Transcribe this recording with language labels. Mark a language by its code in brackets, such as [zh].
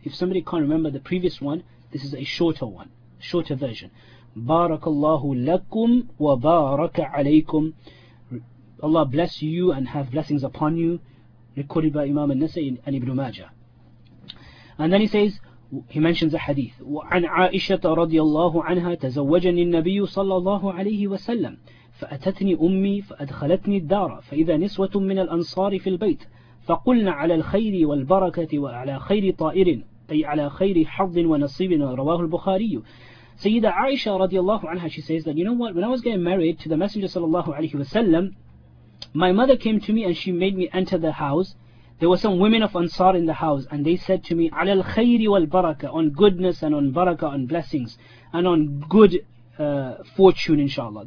[en] If somebody can't remember the previous one, this is a shorter one, shorter version. [ar] Barakallahu lakum wa baraka alaykum. [en] Allah bless you and have blessings upon you. Recorded by Imam al-Nasa'i and Ibn Majah. And then he says, he mentions a hadith. [ar] وعن عائشة رضي الله عنها تزوجني النبي صلى الله عليه وسلم فأتتني أمي فأدخلتني الدار فإذا نسوة من الأنصار في البيت فقلنا على الخير والبركة وعلى خير طائر أي على خير حظ ونصيب رواه البخاري. سيدة عائشة رضي الله عنها, [en] she says that, you know what, when I was getting married to the Messenger [ar] صلى الله عليه وسلم, [en] my mother came to me and she made me enter the house. There were some women of Ansar in the house, and they said to me, [ar] "Al khayri wal baraka," [en] on goodness and on baraka, on blessings, and on good fortune, inshallah.